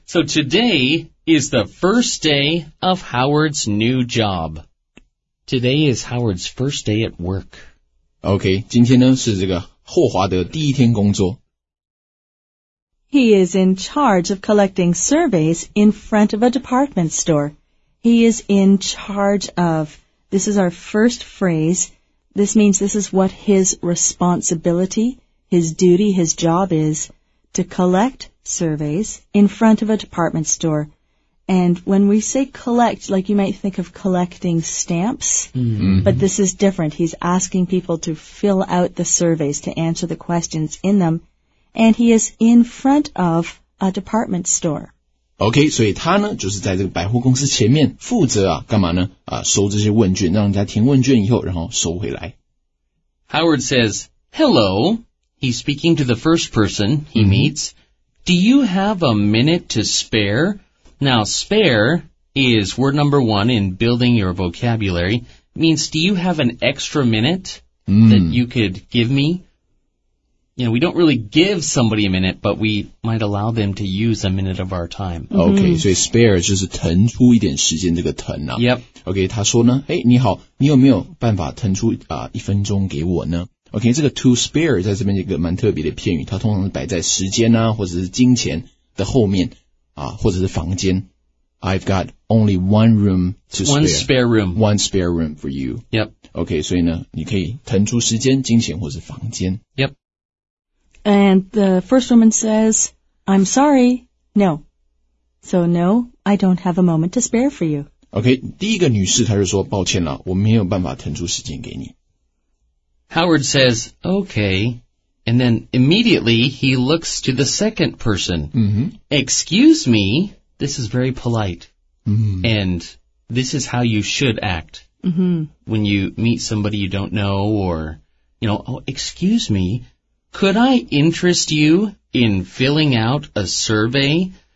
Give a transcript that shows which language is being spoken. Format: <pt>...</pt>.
<en>So today is the first day of Howard's new job. Today is Howard's first day at work.</en> <zh>Okay, 今天呢是这个霍华德第一天工作。</zh> <en>He is in charge of collecting surveys in front of a department store. He is in charge of. This is our first phrase. This means this is what his responsibility, his duty, his job is, to collect surveys in front of a department store. And when we say collect, like you might think of collecting stamps,、 mm-hmm. but this is different. He's asking people to fill out the surveys, to answer the questions in them,And he is in front of a department store.</en> <zh>Okay, 所以他呢就是在这个百货公司前面负责啊干嘛呢啊收这些问卷让人家填问卷以后然后收回来。</zh> <en>Howard says, hello. He's speaking to the first person he meets. Do you have a minute to spare? Now, spare is word number one in building your vocabulary. Means, do you have an extra minute that you could give me? you know, we don't really give somebody a minute, but we might allow them to use a minute of our time.</en> <zh>Okay, so spare 就是腾出一点时间这个腾啊。</zh> <en>Yep.</en> <zh>Okay, 他说呢，诶，你好，你有没有办法腾出啊一分钟给我呢？ OK, 这个 to spare 在这边一个蛮特别的片语，它通常是摆在时间啊或者是金钱的后面啊，或者是房间。</zh> <en>I've got only one room to spare. One spare room. One spare room for you. Yep.</en> <zh>OK, 所以呢你可以腾出时间、金钱或是房间。</zh> <en>Yep. And the first woman says, I'm sorry, no. So no, I don't have a moment to spare for you.</en> <zh>OK, 第一个女士她就说抱歉了，我没有办法腾出时间给你。</zh> <en>Howard says, okay, and then immediately he looks to the second person. Mm-hmm. Excuse me, this is very polite. Mm-hmm. And this is how you should act. Mm-hmm. When you meet somebody you don't know or, you know, oh, excuse me, could I interest you in filling out a survey?</en>